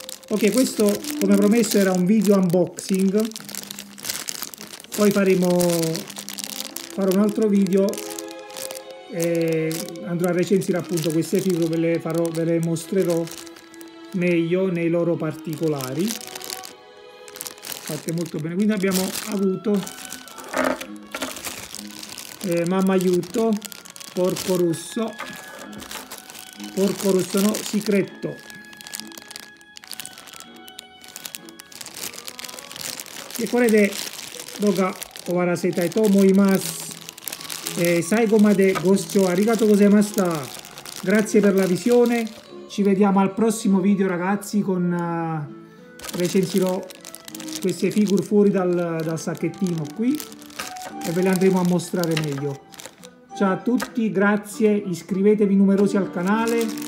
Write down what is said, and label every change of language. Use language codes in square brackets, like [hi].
[it] Ok, questo come promesso era un video unboxing, poi farò un altro video e andrò a recensire appunto queste figure, ve le mostrerò meglio nei loro particolari, fatte molto bene. Quindi abbiamo avuto mamma aiuto, Porco Russo, Porco Russo no, secreto. [ja] E これで動画終わらせたいと思います。最後までご視聴ありがとうございました。 [it] Grazie per la visione. Ci vediamo al prossimo video ragazzi con recensirò queste figure fuori dal sacchettino qui. E ve le andremo a mostrare meglio. Ciao a tutti, grazie, iscrivetevi numerosi al canale.